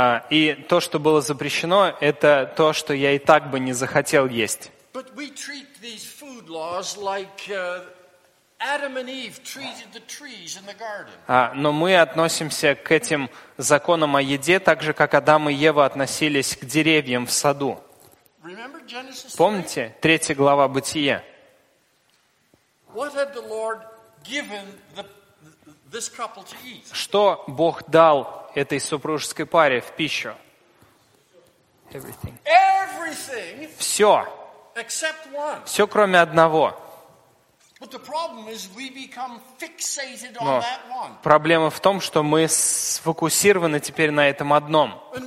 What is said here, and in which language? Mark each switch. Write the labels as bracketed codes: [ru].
[ru] И то, что было запрещено, это то, что я и так бы не захотел есть. [en] But we treat these food laws like Adam and Eve treated the trees in the garden. [ru] Но мы относимся к этим законам о еде так же, как Адам и Ева относились к деревьям в саду. [en] Remember Genesis 3? [ru] Помните, 3 глава Бытия? [en] What had the Lord given this couple to eat? [ru] Что Бог дал этой супружеской паре в пищу? [en] Everything. Everything. [ru] Все. Все, кроме одного. Но проблема в том, что мы сфокусированы теперь на этом одном.